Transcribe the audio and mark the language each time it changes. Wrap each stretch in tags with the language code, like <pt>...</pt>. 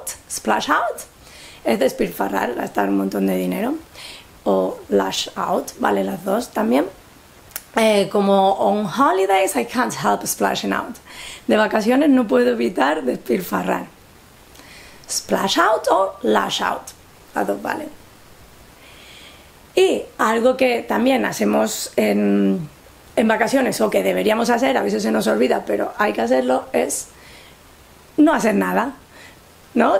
<es>Splash out es despilfarrar, gastar un montón de dinero. O lash out, vale las dos también.</es> <en>Como on holidays I can't help splashing out.</en> <es>De vacaciones no puedo evitar despilfarrar. Splash out o lash out, las dos valen. Y algo que también hacemos en vacaciones, o que deberíamos hacer, a veces se nos olvida, pero hay que hacerlo, es no hacer nada, ¿no?</es>